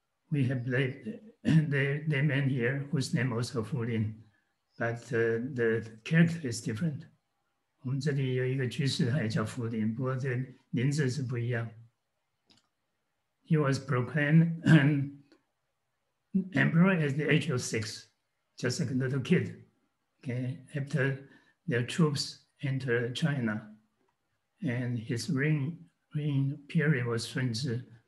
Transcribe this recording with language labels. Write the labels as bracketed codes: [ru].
[en] We have lived the man here whose name also Fulin, but the character is different. [zh] 我们这里有一个居士，他也叫福林，不过这个名字是不一样。 [en] He was proclaimed an emperor at the age of 6. Just like a little kid, okay? After their troops entered China, and his reign period was Shun Zi.